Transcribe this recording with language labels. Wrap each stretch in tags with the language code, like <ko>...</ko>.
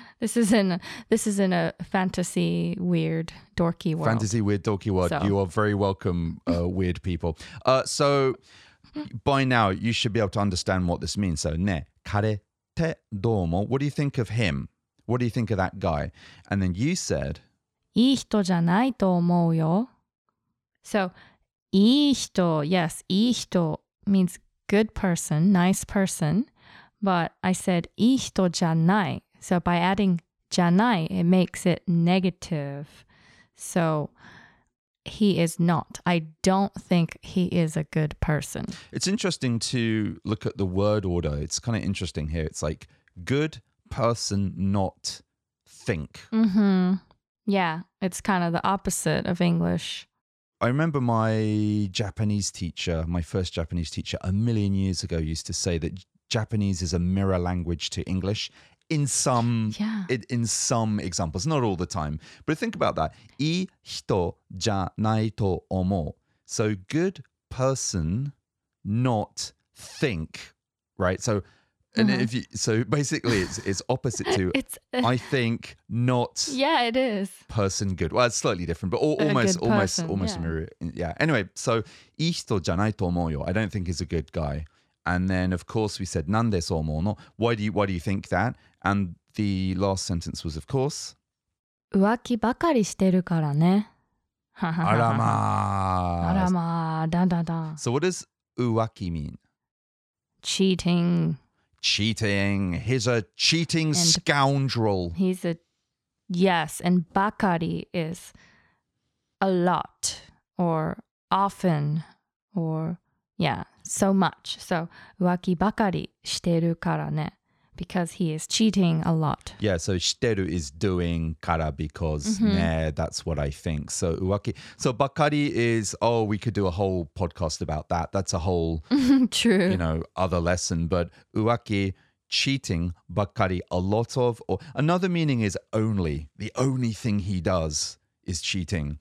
<en>This is in a fantasy, weird, dorky world. Fantasy, weird, dorky world. So. You are very welcome, weird people. So by now, you should be able to understand what this means. So,</en> <ja>ne, kare te domo.</ja> <en>What do you think of him? What do you think of that guy? And then you said,</en> <ja>いい人じゃないと思うよ。</ja> <en>So, いい人, yes, いい人 means good person, nice person, but I said</en> <ja>いい人じゃない.</ja> <en>So by adding じゃない, it makes it negative. So he is not. I don't think he is a good person. It's interesting to look at the word order. It's kind of interesting here. It's like good person, not think. Mm-hmm. Yeah, it's kind of the opposite of English. I remember my Japanese teacher, my first Japanese teacher a million years ago used to say that Japanese is a mirror language to English in some examples, not all the time. But think about that.</en> <ja>いい人じゃないと思う.</ja> <en>So good person, not think, right? So and if you, so basically it's opposite to it's, I think not yeah it is person good well it's slightly different but almost person, almost yeah. Mirror yeah anyway so</en> <ja>いい人じゃないと思うよ</ja> <en>I don't think he's a good guy and then of course we said</en> <ja>なんでそう思うの</ja> <en>why do you think that and the last sentence was of course</en> <ja>浮気ばかりしてるからね。あらまあ。あらまあ。だんだんだん。</ja> <en>So what does 浮気 mean? Cheating. Cheating. He's a cheating scoundrel. He's a... Yes, and ばかり is a lot or often or... Yeah, so much.</en> <ja>So 浮気ばかりしてるからね。</ja> <en>Because he is cheating a lot. Yeah, so shiteru is doing kara because, yeah, that's what I think. So uwaki, so bakari is, oh, we could do a whole podcast about that. That's a whole, true, you know, other lesson. But uwaki, cheating, bakari, a lot of, or another meaning is only, the only thing he does is cheating.</en>